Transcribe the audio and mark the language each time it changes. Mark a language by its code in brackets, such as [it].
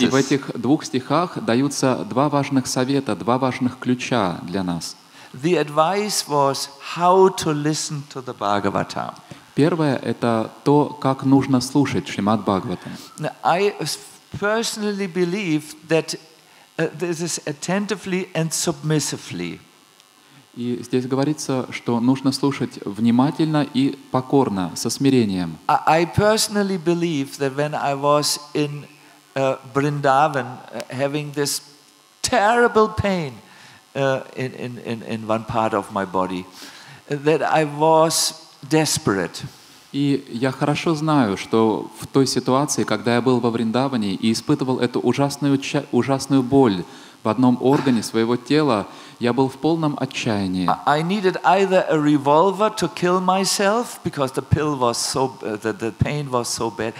[ru] И в этих двух стихах даются два важных совета, два важных ключа для нас. [en] The advice was how to listen to the Bhagavatam. [ru] Первое – это то, как нужно слушать Шримад Бхагаватам. [en] I personally believe that this is attentively and submissively. [ru] И здесь говорится, что нужно слушать внимательно и покорно, со смирением. [en] I personally believe that when I was in Vrindavan, having this terrible pain, in one part of my body, that I was desperate. [ru] И я хорошо знаю, что в той ситуации, когда я был во Вриндаване и испытывал эту ужасную боль в одном органе своего тела, я был в полном отчаянии. [en] I needed either a revolver to kill myself because the pill was so the pain was so bad.